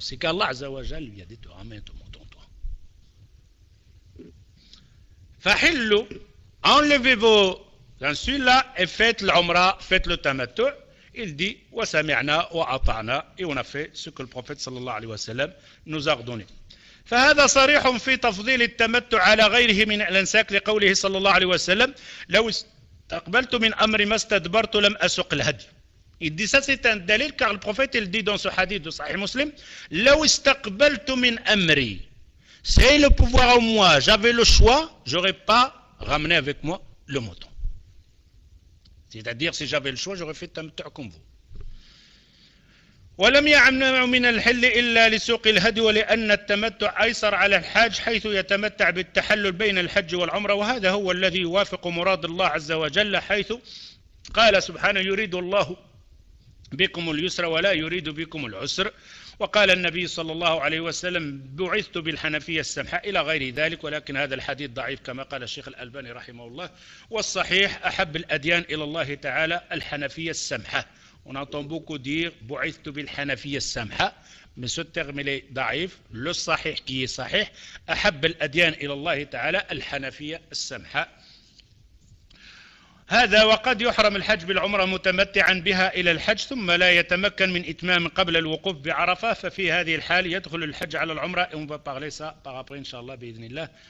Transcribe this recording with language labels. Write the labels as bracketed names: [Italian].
[French] C'est qu'Allah Azza wa Jal lui a dit, tu ramènes ton montant, toi. Fahillu, enlevez vos insulas et faites l'umra, faites le tamattu. Il dit, [Arabic] wa sami'na wa ata'na. [French] Et on a fait ce que le prophète [Arabic] sallallahu alayhi wa sallam [French] nous a ordonné. [Arabic] فهذا صريح في تفضيل التمتع على غيره من الانساك لقوله صلى الله عليه وسلم لو استقبلت من امر ما استدبرت لم اسق الهدي. [French] Il dit ça, c'est un dalil, car le prophète il dit dans ce hadith de Sahih Muslim, [Arabic] لو استقبلت من امري, [French] c'est le pouvoir en moi, j'avais le choix, j'aurais pas ramené avec moi le mouton. C'est-à-dire, si j'avais le choix, j'aurais fait التمتع comme vous. [Arabic] ولم يمنع من الحل الا لسوق الهدي ولان التمتع ايسر على الحاج حيث يتمتع بالتحلل بين الحج والعمره وهذا هو الذي يوافق مراد الله عز وجل حيث قال سبحانه يريد الله بكم اليسر ولا يريد بكم العسر وقال النبي صلى الله عليه وسلم بعثت بالحنفية السمحاء إلى غير ذلك ولكن هذا الحديث ضعيف كما قال الشيخ الألباني رحمه الله والصحيح أحب الأديان إلى الله تعالى الحنفية السمحاء. [French] On entend beaucoup dire [Arabic] « Bu'ithtu bil hanafiyya samha » [French] mais ce terme il est daif, le sahih qui est sahih, [Arabic] « Ahab al adyan ilallah ta'ala al hanafiyya samha » هذا وقد يحرم الحج بالعمرة متمتعا بها إلى الحج ثم لا يتمكن من إتمام قبل الوقوف بعرفة ففي هذه الحال يدخل الحج على العمرة [French] et on va parler ça par après [Arabic] إن شاء الله بإذن الله.